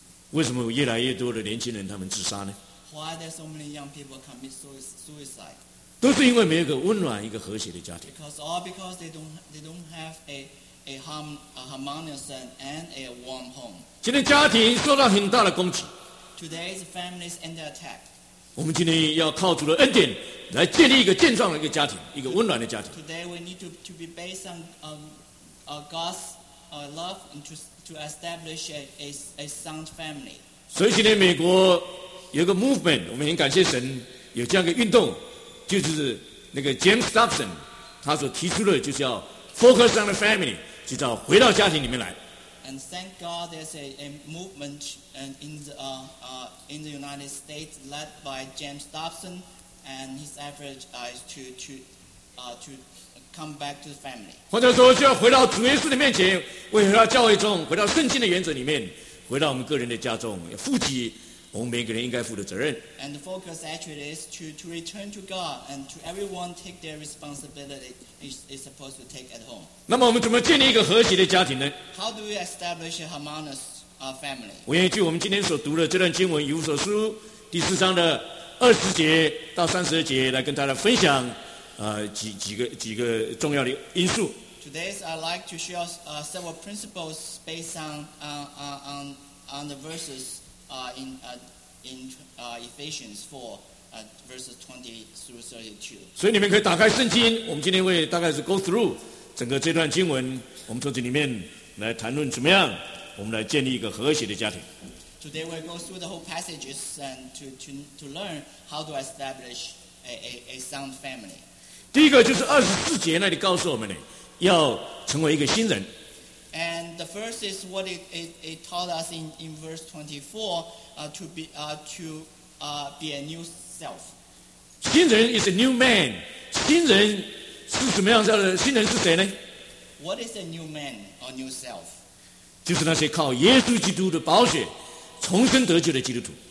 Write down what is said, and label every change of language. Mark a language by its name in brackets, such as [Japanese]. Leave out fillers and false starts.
[Chinese] 为什么越来越多的年轻人他们自杀呢？ [English] Why there so many young people commit suicide？ [Chinese] 都是因为没有一个温暖一个和谐的家庭。 [English] Because all because they don't have a harmonious and a warm home。 [Chinese] 今天家庭受到很大的攻击。 [English] Today's families under attack。 [Chinese] 我们今天要靠主的恩典来建立一个健壮的一个家庭，一个温暖的家庭。 [English] Today we need to be based on God's love and to establish a sound family。 [Chinese] 所以今天美国有个 movement， 我们很感谢神有这样一个运动，就是那个 James Dobson 他所提出的，就是要 [English] focus on the family， [Chinese] 就叫回到家庭里面来。 [English] And thank God there's a movement in the United States led by James Dobson, and his effort is to come back to the family. [Chinese] 或者说，就要回到主耶稣的面前，回到教会中，回到圣经的原则里面，回到我们个人的家中，要负起我们每个人应该负的责任。 [English] And the focus actually is to return to God and to everyone take their responsibility is supposed to take at home. [Chinese] 那么我们怎么建立一个和谐的家庭呢？ [English] How do we establish a harmonious family? [Chinese] 我愿意据我们今天所读的这段经文《以弗所书》第四章的20节到32节来跟大家分享，几个重要的因素。 [English] Today I'd like to share several principles based on the verses. Ephesians 4 verses 20-32. [Chinese] 所以你们可以打开圣经，我们今天会大概是 [English] go through [Chinese] 整个这段经文，我们从这里面来谈论怎么样我们来建立一个和谐的家庭。 [English] Today we'll go through the whole passages and to learn how to establish a sound family. [Chinese] 第一个就是24节那里告诉我们呢，要成为一个新人。 [English] And the first is what it taught us in verse 24, to be a new self. [Chinese] 新人 [English] is a new man. [Chinese] 新人是什么样的？新人是谁呢？ [English] What is a new man or new self? [Chinese] 就是那些靠耶稣基督的宝血重生得救的基督徒。